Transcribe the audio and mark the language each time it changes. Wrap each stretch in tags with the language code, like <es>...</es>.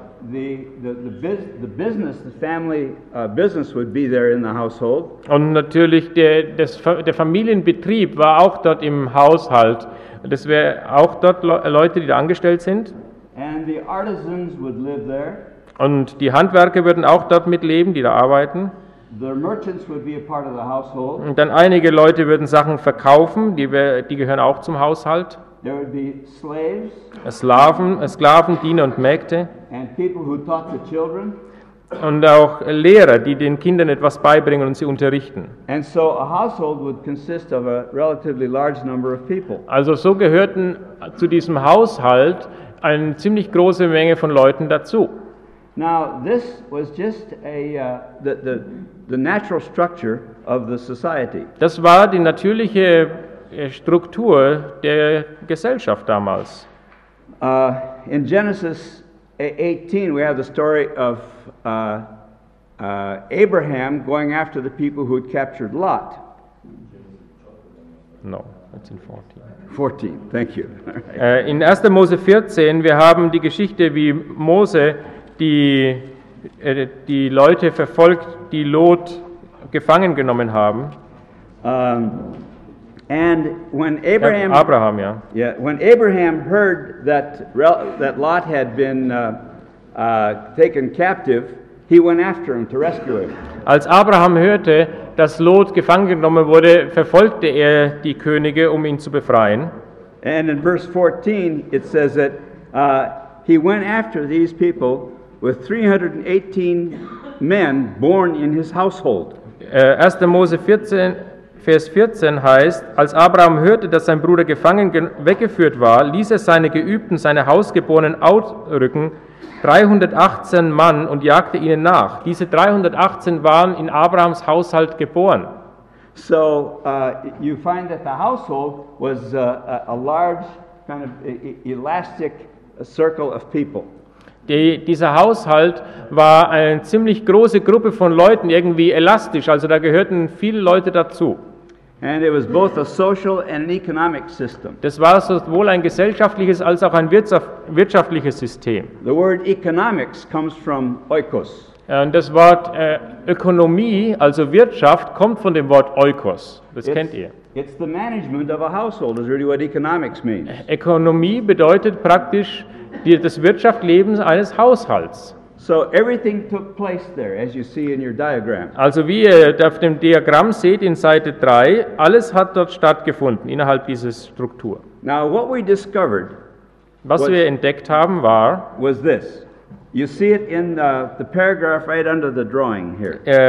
<en>The business, the family business would be there in the household.</en> <de>Und natürlich der Familienbetrieb war auch dort im Haushalt. Das wäre auch dort Leute, die da angestellt sind.</de> <en>And the artisans would live there.</en> <de>Und die Handwerker würden auch dort mitleben, die da arbeiten.</de> <en>The merchants would be a part of the household.</en> <de>Und dann einige Leute würden Sachen verkaufen, die gehören auch zum Haushalt.</de> <en>There would be slaves.</en> <de>Sklaven, Diener und Mägde.</de> <en>And people who taught the children.</en> <de>Und auch Lehrer, die den Kindern etwas beibringen und sie unterrichten.</de> <en>And so a household would consist of a relatively large number of people.</en> <de>Also so gehörten zu diesem Haushalt eine ziemlich große Menge von Leuten dazu.</de> <en>Now this was just the natural structure of the society.</en> <de>Das war die natürliche Struktur der Gesellschaft damals.</de> <en>In Genesis 18 we have the story of Abraham going after the people who had captured Lot. No, that's in 14. 14, thank you.</en> <de>In 1. Mose 14, wir haben die Geschichte, wie Mose die Leute verfolgt, die Lot gefangen genommen haben.</de> <en>And when Abraham,</en> <de>ja, Abraham, ja.</de> <en>Yeah, when Abraham heard that Lot had been taken captive, he went after him to rescue him.</en> <de>Als Abraham hörte, dass Lot gefangen genommen wurde, verfolgte er die Könige, um ihn zu befreien.</de> <en>And in verse 14 it says that he went after these people with 318 men born in his household.</en> <de>1. Mose 14, Vers 14 heißt, als Abraham hörte, dass sein Bruder gefangen weggeführt war, ließ er seine Geübten, seine Hausgeborenen ausrücken, 318 Mann, und jagte ihnen nach. Diese 318 waren in Abrahams Haushalt geboren.</de> <en>So, you find that the household was a large, kind of elastic circle of people.</en> <de>Dieser Haushalt war eine ziemlich große Gruppe von Leuten, irgendwie elastisch, also da gehörten viele Leute dazu.</de> <en>And it was both a social and an economic system.</en> <de>Das war sowohl ein gesellschaftliches als auch ein wirtschaftliches System.</de> <en>The word economics comes from oikos.</en> <de>Und das Wort Ökonomie, also Wirtschaft, kommt von dem Wort oikos. Das kennt ihr.</de> <en>It's the management of a household is really what economics means.</en> <de>Ökonomie bedeutet praktisch das Wirtschaftsleben eines Haushalts.</de> <en>So everything took place there, as you see in your diagram.</en> <de>Also wie ihr auf dem Diagramm seht in Seite 3, alles hat dort stattgefunden innerhalb dieser Struktur.</de> <en>Now what we discovered,</en> <de>was wir entdeckt haben, war,</de> <en>was this. You see it in the paragraph right under the drawing here.</en>